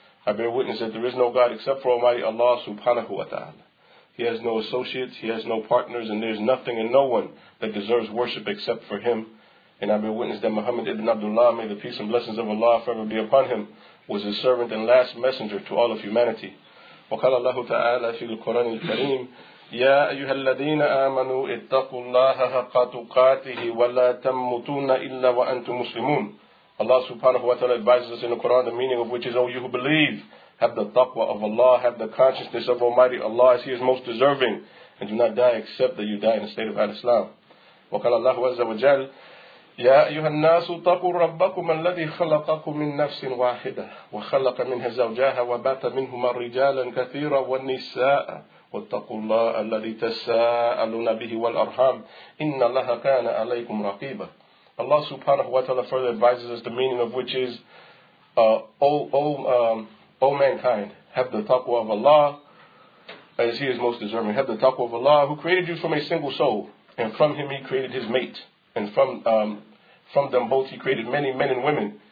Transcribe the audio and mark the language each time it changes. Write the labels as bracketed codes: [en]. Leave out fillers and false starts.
[en] I bear witness that there is no God except for Almighty Allah subhanahu wa ta'ala. He has no associates, he has no partners, and there is nothing and no one that deserves worship except for him. And I bear witness that Muhammad ibn Abdullah, may the peace and blessings of Allah forever be upon him, was his servant and last messenger to all of humanity. [ar] وقال الله تعالى في القرآن الكريم يا أيها الذين آمنوا اتقوا الله حق تقاته ولا تموتون إلا وأنتم مسلمون. [en] Allah subhanahu wa ta'ala advises us in the Quran, the meaning of which is, O you who believe, have the taqwa of Allah, have the consciousness of Almighty Allah as He is most deserving, and do not die except that you die in the state of Al-Islam. [ar] وقال الله عز وجل يا أيها الناس اتقوا ربكم الذي خلقكم من نفس واحدة وخلق منها زوجها وبات منهما رجالا كثيرا والنساء واتقوا الله الذي تساءلون به والأرحام إن الله كان عليكم رقيبا. [en] Allah subhanahu wa ta'ala further advises us, the meaning of which is, all mankind, have the taqwa of Allah as He is most deserving. Have the taqwa of Allah who created you from a single soul, and from Him He created His mate. And from them both He created many men and women.